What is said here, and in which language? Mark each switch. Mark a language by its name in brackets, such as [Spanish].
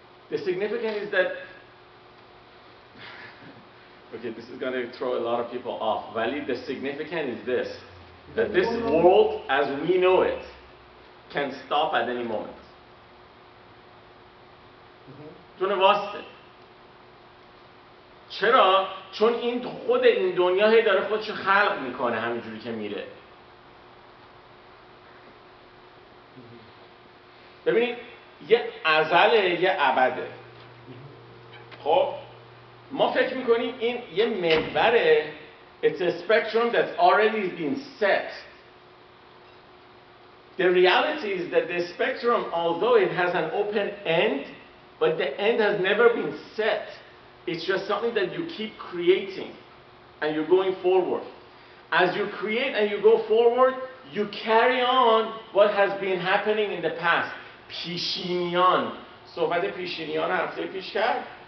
[English] The significance is that okay, this is going to throw a lot of people off. Vali, the significance is this that this world as we know it can stop at any moment. [Persian] چون واسه چرا؟ چون این خود این دنیا هی داره خودش خلق میکنه همینجوری که میره. ببینید یه ازله یه ابده. خب ما فکر میکنیم این یه محوره. [English] It's a spectrum that's already been set. The reality is that the spectrum, although it has an open end, but the end has never been set. It's just something that you keep creating and you're going forward. As you create and you go forward, you carry on what has been happening in the past. [Persian] پیشینیان صحبت پیشینیان هفته پیش کرد